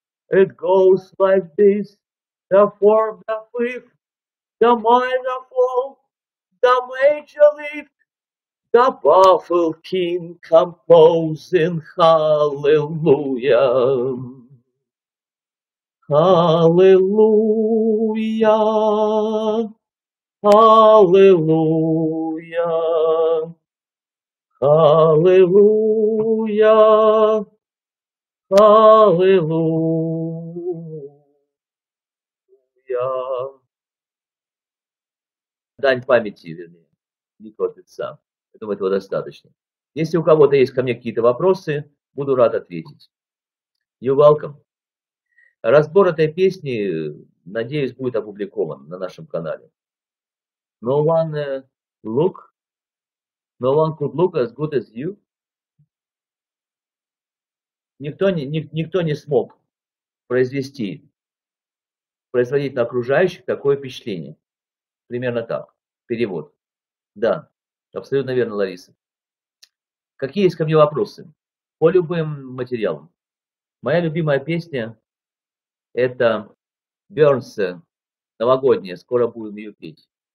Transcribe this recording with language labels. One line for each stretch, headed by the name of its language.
English: It goes like this, the fourth, the fifth, the minor fall, the major lift, the baffled king composing hallelujah.
Russian: Аллилуйя, аллилуйя, аллилуйя, аллилуйя. Дань памяти, вернее, не торопится. Я думаю, этого достаточно. Если у кого-то есть ко мне какие-то вопросы, буду рад ответить.
English: You're welcome.
Russian: Разбор этой песни, надеюсь, будет опубликован на нашем канале.
English: No one look, no one could look as good as you.
Russian: Никто не смог производить на окружающих такое впечатление. Примерно так. Перевод. Да, абсолютно верно, Лариса. Какие есть ко мне вопросы? По любым материалам. Моя любимая песня — это Бёрнс, новогодняя, скоро будем ее петь.